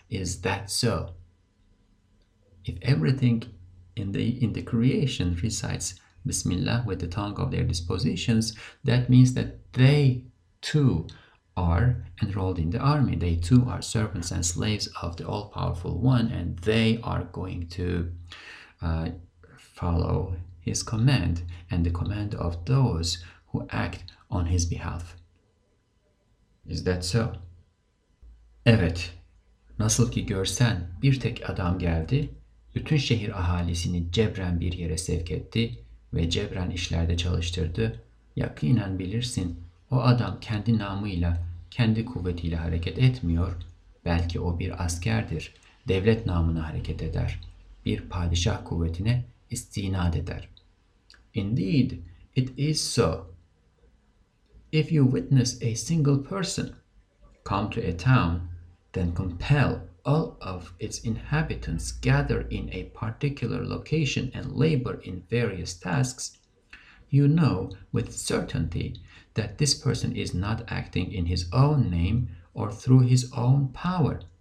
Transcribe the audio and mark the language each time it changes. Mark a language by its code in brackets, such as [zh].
[en] Is that so? If everything in the creation recites Bismillah with the tongue of their dispositions, that means that they too are enrolled in the army. They too are servants and slaves of the all-powerful one, and they are going to follow his command and the command of those who act on his behalf. Is that so? [tr] Evet. Nasıl ki görsen, bir tek adam geldi, bütün şehir ahalisini cebren bir yere sevk etti ve cebren işlerde çalıştırdı. Yakinen bilirsin, o adam kendi namıyla, kendi kuvvetiyle hareket etmiyor. Belki o bir askerdir devlet namına hareket eder, bir padişah kuvvetine istinad eder. [en] Indeed, it is so. If you witness a single person come to a town, then compel all of its inhabitants gather in a particular location and labor in various tasks, you know with certainty that this person is not acting in his own name or through his own power.